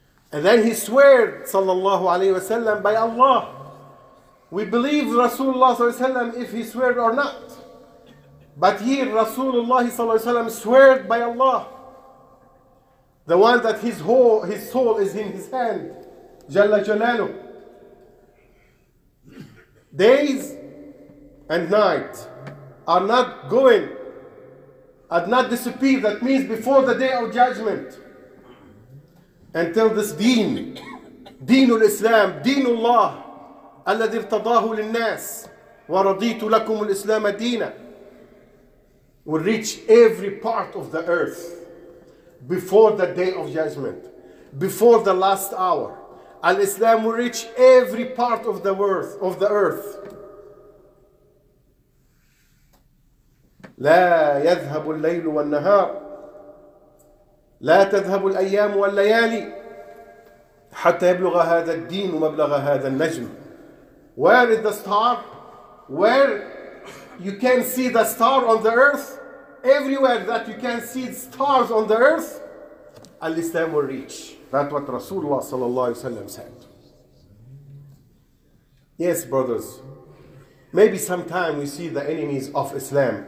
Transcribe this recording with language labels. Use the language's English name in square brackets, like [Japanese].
[English] and then he swore صلى الله عليه وسلم by Allah we believe Rasulullah صلى الله عليه وسلم if he swore or not But here, Rasulullah sallallahu alayhi wa sallam sweared by Allah, the one that his soul is in his hand, Jalla Jalalu. Days and night are not going and not disappear. That means before the day of judgment, until this deen, deenul Islam, deenullah, [Arabic] alladhi irtadahu linnas, wa raditu lakum al-Islam deena. [English] Will reach every part of the earth before the day of judgment, before the last hour. Al-Islam will reach every part of the world of the earth. [Arabic] لا يذهب الليل والنهار لا تذهب الأيام والليالي حتى يبلغ هذا الدين ومبلغ هذا النجم. [English] Where is the star? Where you can see the star on the earth? Everywhere that you can see stars on the earth, Al-Islam will reach. That's what Rasulullah sallallahu alayhi wa sallam said. Yes, brothers, maybe sometime we see the enemies of Islam.